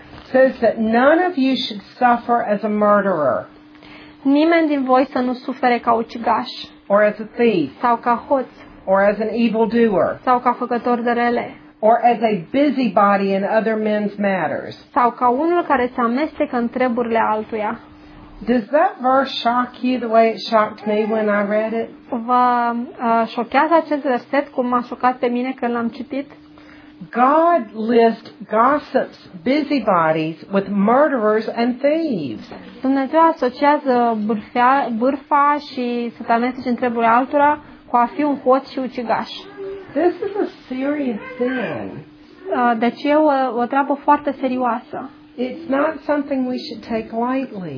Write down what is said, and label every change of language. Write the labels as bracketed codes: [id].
[en] Says that none of you should suffer as a murderer. [ro] Nimeni din voi să nu sufere ca ucigaș. [en] Or as a thief. [ro] Sau ca hoț. [en] Or as an evildoer. [ro] Sau ca făcător de rele. [en] Or as a busybody in other men's matters. [ro] Sau ca unul care se amestecă în treburile altuia. [en] Does that verse shock you the way it shocked me when I read it? [ro] Vă șochează acest verset cum m-a șocat pe mine când l-am citit? [en] God lists gossips, busybodies with murderers and thieves. [ro] Dumnezeu asociază bârfa și să te amesteci în treburile altora cu a fi un hoț și ucigaș. [en] This is a serious sin. [ro] Deci e o treabă foarte serioasă. [en] It's not something we should take lightly.